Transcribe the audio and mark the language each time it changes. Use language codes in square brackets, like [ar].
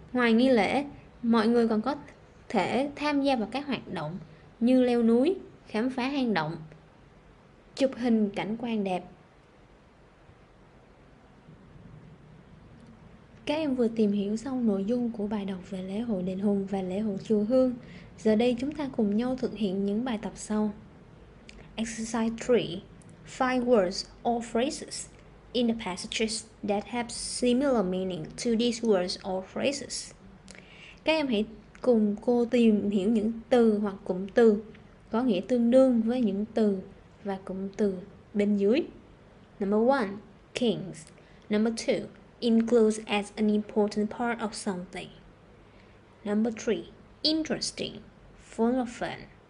[vi] Ngoài nghi lễ, mọi người còn có thể tham gia vào các hoạt động như leo núi, khám phá hang động, chụp hình cảnh quan đẹp. Các em vừa tìm hiểu xong nội dung của bài đọc về lễ hội Đền Hùng và lễ hội Chùa Hương. Giờ đây chúng ta cùng nhau thực hiện những bài tập sau. [en] Exercise 3. Find words or phrases in the passages that have similar meaning to these words or phrases. [vi] Các em hãy cùng cô tìm hiểu những từ hoặc cụm từ có nghĩa tương đương với những từ và cụm từ bên dưới. Number 1, kings. Number 2, includes as an important part of something. Number 3, interesting, full of fun.